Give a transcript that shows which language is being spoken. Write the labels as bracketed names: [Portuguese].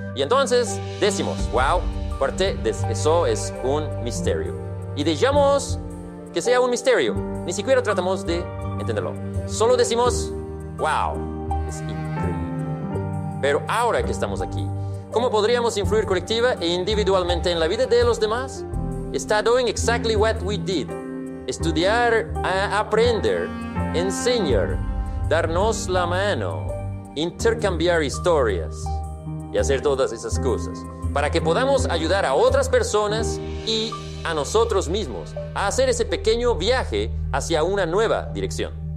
[Spanish] Y entonces decimos, wow, parte de eso es un misterio. Y dejamos que sea un misterio. Ni siquiera tratamos de entenderlo. Solo decimos, wow, es increíble. Pero ahora que estamos aquí, ¿cómo podríamos influir colectiva e individualmente en la vida de los demás? Está [English] doing exactly what we did. [Spanish] Estudiar, aprender, enseñar, darnos la mano, intercambiar historias. Y hacer todas esas cosas para que podamos ayudar a otras personas y a nosotros mismos a hacer ese pequeño viaje hacia una nueva dirección.